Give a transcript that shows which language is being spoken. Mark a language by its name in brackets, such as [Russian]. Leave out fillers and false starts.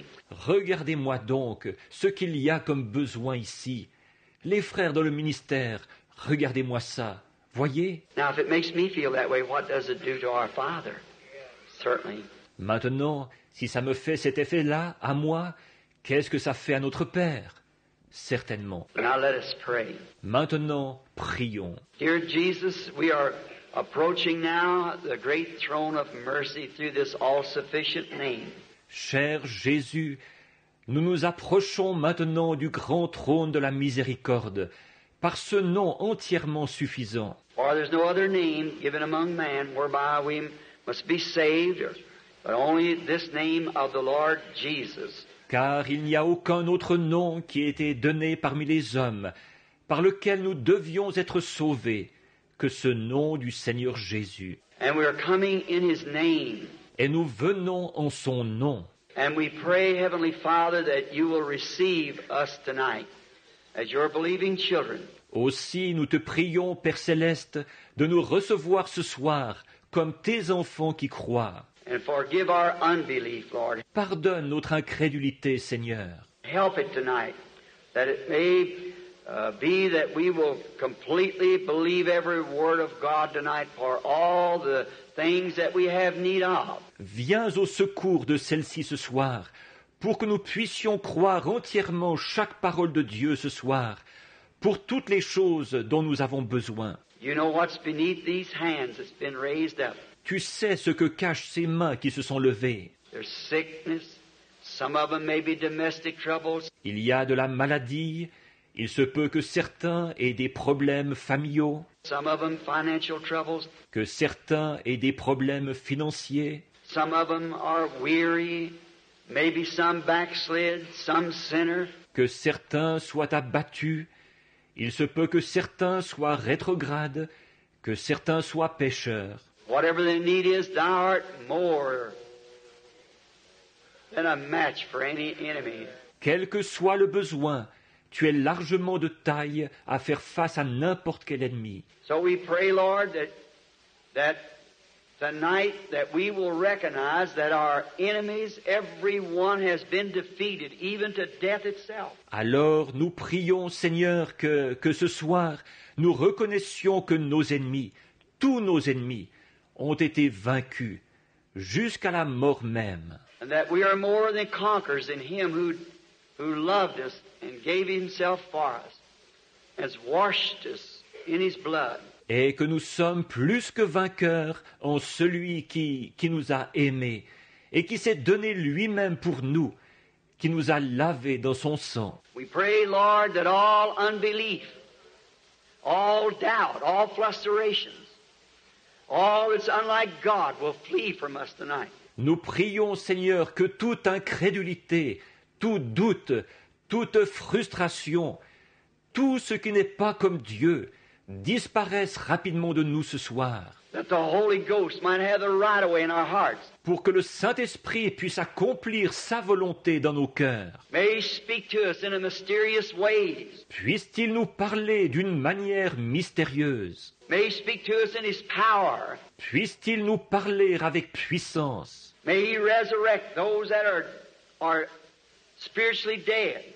[French] Regardez-moi donc ce qu'il y a comme besoin ici. Les frères dans le ministère, regardez-moi ça. Voyez. [English] Now, if it makes me feel that way, what does it do to our Father? Certainly. [French] Maintenant, si ça me fait cet effet-là, à moi, qu'est-ce que ça fait à notre Père? Certainement. [English] Now let us pray. [French] Maintenant, prions. [English] Dear Jesus, we are approaching now the great throne of mercy through this all-sufficient name. [French] Cher Jésus, nous nous approchons maintenant du grand trône de la miséricorde, par ce nom entièrement suffisant. [English] For there's no other name given among man whereby we must be saved or... But only this name of the Lord Jesus. [French] Car il n'y a aucun autre nom qui ait été donné parmi les hommes par lequel nous devions être sauvés que ce nom du Seigneur Jésus. [English] And we are coming in his name. [French] Et nous venons en son nom. [English] And we pray, Heavenly Father, that you will receive us tonight as your believing children. [French] Aussi, nous te prions, Père Céleste, de nous recevoir ce soir comme tes enfants qui croient. [English] And forgive our unbelief, Lord. [French] Pardonne notre incrédulité, Seigneur. [English] Help it tonight, that it may be that we will completely believe every word of God tonight for all the things that we have need of. [French] Viens au secours de celle-ci ce soir, pour que nous puissions croire entièrement chaque parole de Dieu ce soir, pour toutes les choses dont nous avons besoin. [English] You know what's beneath these hands that's been raised up. [French] Tu sais ce que cachent ces mains qui se sont levées. [English] There's sickness. Some of them may be domestic troubles. [French] Il y a de la maladie. Il se peut que certains aient des problèmes familiaux. [English] Some of them financial troubles. [French] Que certains aient des problèmes financiers. [English] Some of them are weary. Maybe some backslid, some sinner. [French] Que certains soient abattus. Il se peut que certains soient rétrogrades, que certains soient pécheurs. [English] Whatever the need is, thou art more than a match for any enemy. [French] Quel que soit le besoin, tu es largement de taille à faire face à n'importe quel ennemi. [English] So we pray, Lord, that tonight that we will recognize that our enemies, every one has been defeated, even to death itself. [French] Alors nous prions, Seigneur, que ce soir nous reconnaissions que nos ennemis, tous nos ennemis, ont été vaincus jusqu'à la mort même. [English] And that we are more than conquerors in Him who loved us and gave Himself for us, has washed us in His blood. [French] Et que nous sommes plus que vainqueurs en celui qui nous a aimés et qui s'est donné lui-même pour nous, qui nous a lavés dans son sang. [English] We pray, Lord, that all unbelief, all doubt, all frustrations, all that's unlike God will flee from us tonight. [French] Nous prions, Seigneur, que toute incrédulité, tout doute, toute frustration, tout ce qui n'est pas comme Dieu, disparaissent rapidement de nous ce soir. [English] That the Holy Ghost might have the right of way in our hearts. [French] Pour que le Saint-Esprit puisse accomplir sa volonté dans nos cœurs. [English] May He speak to us in a mysterious ways. [French] Puisse-t-il nous parler d'une manière mystérieuse. [English] May He speak to us in His power. [French] Puisse-t-il nous parler avec puissance. [English] May He resurrect those that are spiritually dead.